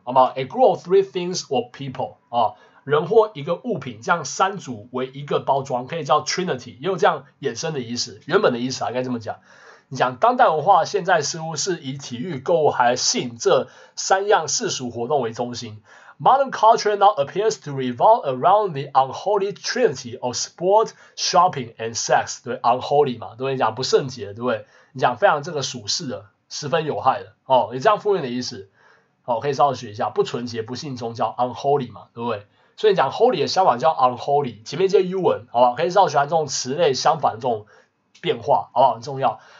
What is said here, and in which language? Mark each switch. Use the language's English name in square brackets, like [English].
[Chinese] 好不好 [English] ？A group of three things or people 啊。 [Chinese] 人或一个物品，这样三组为一个包装，可以叫 Trinity， 也有这样衍生的意思，原本的意思啊，应该这么讲。你讲当代文化现在似乎是以体育、购物还性这三样世俗活动为中心。 [English] Modern culture now appears to revolve around the unholy Trinity of sport, shopping, and sex， 对 ，unholy [Chinese] 嘛，对不对？你讲不圣洁，对不对？你讲非常这个属世的，十分有害的，哦，也这样负面的意思，哦，可以稍微学一下，不纯洁、不信宗教 ，unholy 嘛，对不对？所以你讲 holy 的相反叫 unholy， 前面接 u 文，好不好？可以稍微学这种词类相反的这种变化，好不好？很重要。